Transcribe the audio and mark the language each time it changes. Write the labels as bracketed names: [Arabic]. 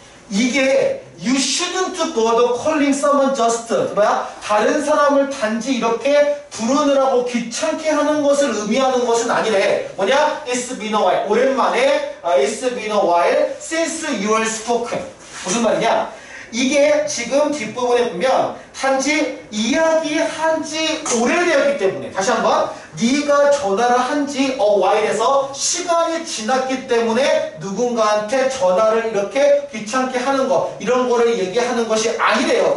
[Korean] 이게 [English] you shouldn't bother calling someone just [Korean] 뭐야? 다른 사람을 단지 이렇게 부르느라고 귀찮게 하는 것을 의미하는 것은 아니래. 뭐냐? [English] It's been a while. [Korean] 오랜만에 [English] It's been a while since you were spoken. [Korean] 무슨 말이냐? 이게 지금 뒷부분에 보면 단지 이야기한 지 오래되었기 때문에 다시 한번 네가 전화를 한 지 [English] a while [Korean] 에서 시간이 지났기 때문에 누군가한테 전화를 이렇게 귀찮게 하는 거 이런 거를 얘기하는 것이 아니래요.